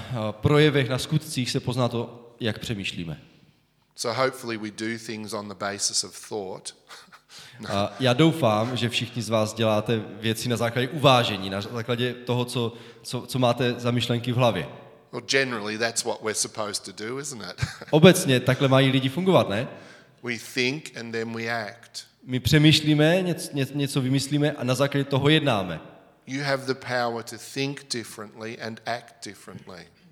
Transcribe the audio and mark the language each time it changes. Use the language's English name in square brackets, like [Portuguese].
[Czech] Projevech, na skutcích se pozná to, jak přemýšlíme. [English] So hopefully we do things on the basis of thought. [Czech] Já doufám, že všichni z vás děláte věci na základě uvážení, na základě toho, co máte za myšlenky v hlavě. [English] Well, generally that's what we're supposed to do, isn't it? [Czech] Obecně takhle mají lidi fungovat, ne? [English] We think and then we act. [Czech] My přemýšlíme, něco vymyslíme a na základě toho jednáme. [English] You have the power to think differently and act differently.